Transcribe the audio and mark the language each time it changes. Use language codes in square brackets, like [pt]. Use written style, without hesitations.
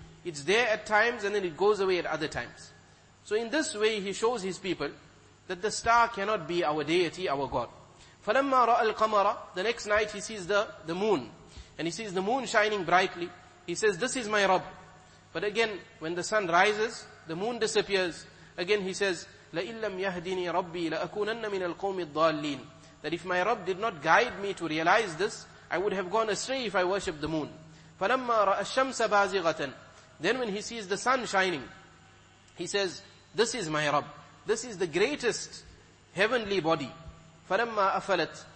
[en] It's there at times and then it goes away at other times. So in this way he shows his people that the star cannot be our deity, our God. [ar] فَلَمَّا رَأَ الْقَمَرَ. [en] The next night he sees the moon, and he sees the moon shining brightly. He says, this is my Rabb. But again, when the sun rises, the moon disappears. Again he says, [ar] لَإِن لَمْ يَهْدِنِي رَبِّي لَأَكُونَنَّ مِنَ الْقَوْمِ الضَّالِّينَ. [en] That if my Rabb did not guide me to realize this, I would have gone astray if I worship the moon. [ar] فَلَمَّا رَأَ الشَّمْسَ بَازِغَةً. [en] Then when he sees the sun shining, he says, this is my Rabb. This is the greatest heavenly body. [ar] فَلَمَّا أَفَلَتْ.